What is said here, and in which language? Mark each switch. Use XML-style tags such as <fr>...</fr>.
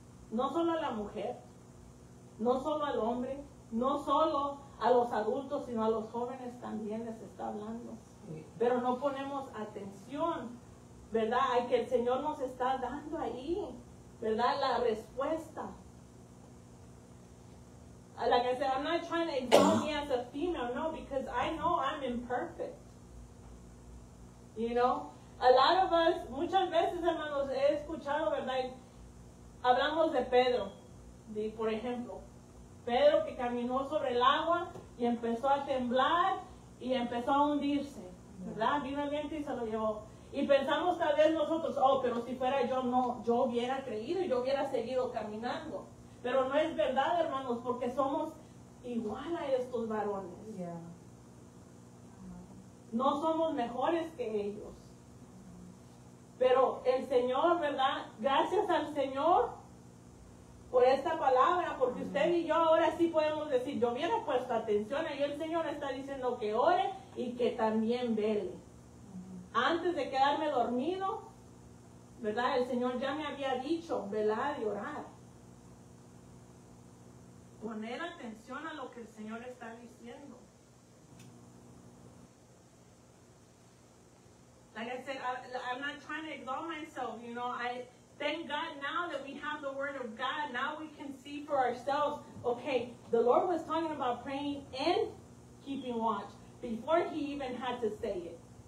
<es>No solo a la mujer, no solo al hombre, no solo a los adultos, sino a los jóvenes también les está hablando. Pero no ponemos atención, ¿verdad? Hay que el Señor nos está dando ahí, ¿verdad? La respuesta.</es> <en>Like I said, I'm not trying to exalt me as a female, no, because I know I'm imperfect. You know? A lot of us,</en> <es>muchas veces, hermanos, he escuchado, ¿verdad? Hablamos de Pedro, por ejemplo. Pedro que caminó sobre el agua y empezó a temblar y empezó a hundirse, ¿verdad? Vino el viento y se lo llevó. Y pensamos tal vez nosotros, oh, pero si fuera yo, no, yo hubiera creído y yo hubiera seguido caminando. Pero no es verdad, hermanos, porque somos igual a estos varones. No somos mejores que ellos. Pero el Señor, ¿verdad? Gracias al Señor por esta palabra, porque usted y yo ahora sí podemos decir, yo hubiera puesto atención, y el Señor está diciendo que ore y que también vele. Antes de quedarme dormido, ¿verdad? El Señor ya me había dicho, velar y orar. Poner atención a lo que el Señor está diciendo.</es> <en>Like I said, I'm not trying to exalt myself, you know. I thank God now that we have the Word of God. Now we can see for ourselves, okay, the Lord was talking about praying and keeping watch before he even had to say it.</en>